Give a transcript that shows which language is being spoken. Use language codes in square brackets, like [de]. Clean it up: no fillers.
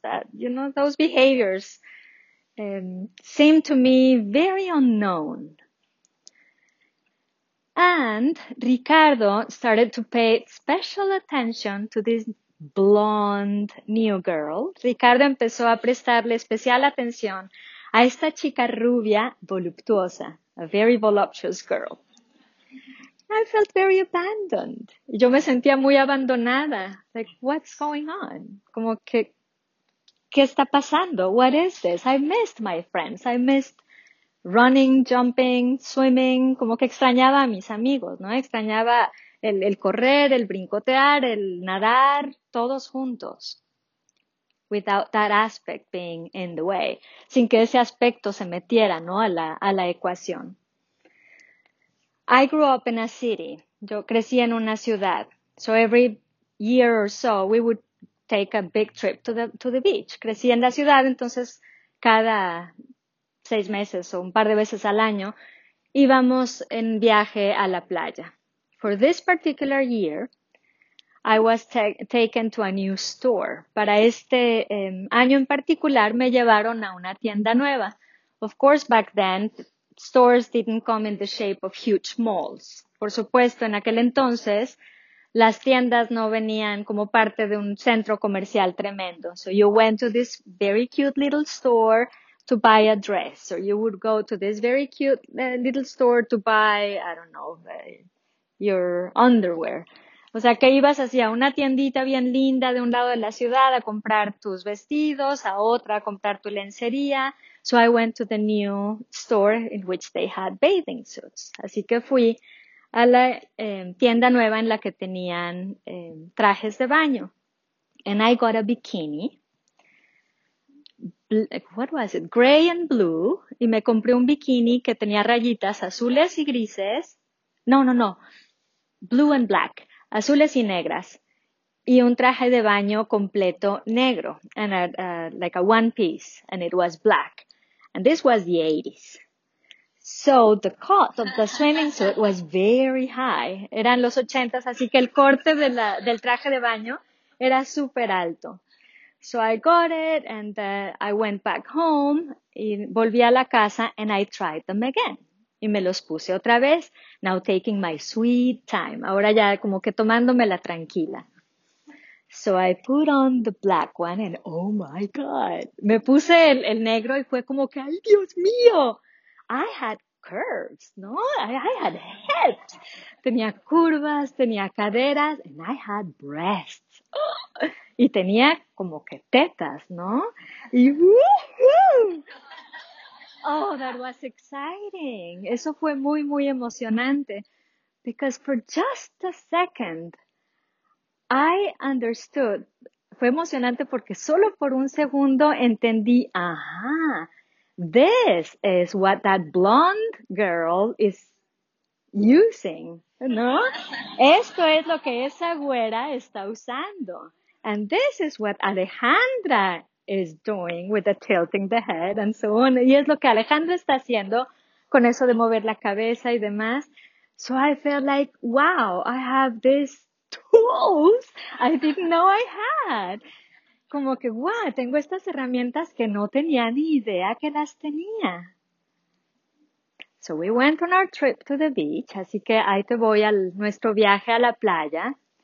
[en] That, you know, those behaviors seemed to me very unknown. And Ricardo started to pay special attention to this blonde new girl. [es] Ricardo empezó a prestarle especial atención a esta chica rubia voluptuosa, [en] a very voluptuous girl. I felt very abandoned. [es] Yo me sentía muy abandonada. [en] Like, what's going on? [es] Como que, ¿qué está pasando? [en] What is this? I missed my friends. I missed running, jumping, swimming, [es] como que extrañaba a mis amigos, ¿no? Extrañaba el correr, el brincotear, el nadar, todos juntos. [en] Without that aspect being in the way, [es] sin que ese aspecto se metiera, ¿no? A la ecuación. [en] I grew up in a city. [es] Yo crecí en una ciudad. [en] So every year or so, we would take a big trip to the beach. [es] Crecí en la ciudad, entonces cada 6 meses o un par de veces al año, íbamos en viaje a la playa. [en] For this particular year, I was taken to a new store. [es] Para este año en particular, me llevaron a una tienda nueva. [en] Of course, back then, stores didn't come in the shape of huge malls. [es] Por supuesto, en aquel entonces, las tiendas no venían como parte de un centro comercial tremendo. [en] So you went to this very cute little store to buy a dress, or you would go to this very cute little store to buy, I don't know, your underwear. [es] O sea, que ibas así a una tiendita bien linda de un lado de la ciudad a comprar tus vestidos, a otra a comprar tu lencería. [en] So I went to the new store in which they had bathing suits. [es] Así que fui a la tienda nueva en la que tenían trajes de baño. [en] And I got a bikini. What was it? Gray and blue. [es] Y me compré un bikini que tenía rayitas azules y grises. No, no, no. [en] blue and black, [es] azules y negras, y un traje de baño completo negro, [en] and like a one piece, and it was black. And this was the 80s. So the cost of the swimming suit was very high. [es] Eran los 80s, así que el corte de del traje de baño era super alto. [en] So I got it, and I went back home, [es] y volví a la casa, [en] and I tried them again. [es] Y me los puse otra vez, [en] now taking my sweet time. [es] Ahora ya como que tomándomela tranquila. [en] So I put on the black one, and oh my God. [es] Me puse el negro y fue como que, ¡ay, Dios mío! [en] I had curves, ¿no? I had hips. [es] Tenía curvas, tenía caderas, [en] and I had breasts. [es] Oh, y tenía como que tetas, ¿no? [en] Y ¡woohoo! Oh, that was exciting. [es] Eso fue muy, muy emocionante. [en] Because for just a second, I understood. [es] Fue emocionante porque solo por un segundo entendí, ajá, [en] this is what that blonde girl is using, [es] ¿no? Esto es lo que esa güera está usando. [en] And this is what Alejandra is doing with the tilting the head and so on. [es] Y es lo que Alejandra está haciendo con eso de mover la cabeza y demás. [en] So I felt like, wow, I have these tools I didn't know I had. [es] Como que, wow, tengo estas herramientas que no tenía ni idea que las tenía. [en] So we went on our trip to the beach. [es] Así que ahí te voy al nuestro viaje a la playa.